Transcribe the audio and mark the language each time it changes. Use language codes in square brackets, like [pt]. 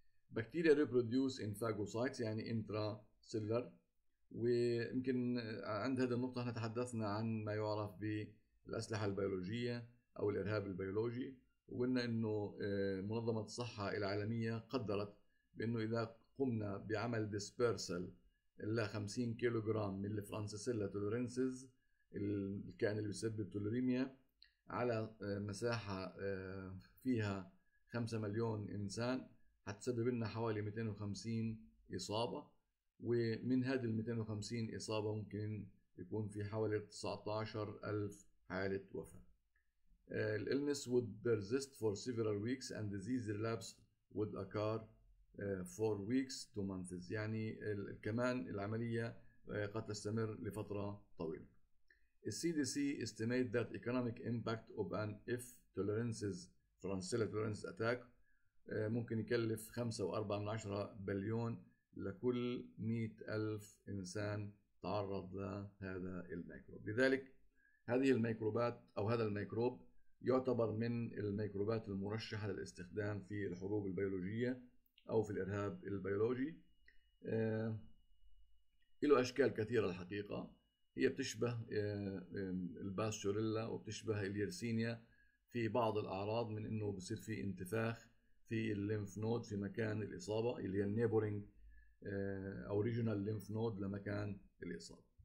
[ar] بكتيريا ريبروديوس ان فاجوسايتس يعني انترا سيلر، ويمكن عند هذه النقطة احنا تحدثنا عن ما يعرف بالأسلحة البيولوجية أو الإرهاب البيولوجي، وقلنا أنه منظمة الصحة العالمية قدرت بأنه إذا قمنا بعمل ديسبيرسل إلى 50 كيلوغرام من الفرانسيسيلا تولورنسز الكائن اللي بيسبب تولوريميا على مساحة فيها 5 مليون إنسان هتسبب لنا حوالي 250 إصابة، ومن هذه ال 250 إصابة ممكن يكون في حوالي 19,000 حالة وفاة. [en] The illness would persist for several weeks and disease relapse would occur for weeks to months. [ar] يعني كمان العملية قد تستمر لفترة طويلة. [en] The CDC estimated that economic impact of an F tolerances Francisella tolerance attack [ar] ممكن يكلف 5.4 بليون لكل 100,000 إنسان تعرض لهذا الميكروب. لذلك هذه الميكروبات أو هذا الميكروب يعتبر من الميكروبات المرشحة للاستخدام في الحروب البيولوجية أو في الإرهاب البيولوجي. له أشكال كثيرة الحقيقة، هي بتشبه الباستوريلا وبتشبه اليرسينيا في بعض الأعراض من أنه بصير في انتفاخ في الليمف نود في مكان الإصابة اللي هي النيبورينج original lymph node لمكان الإصابة.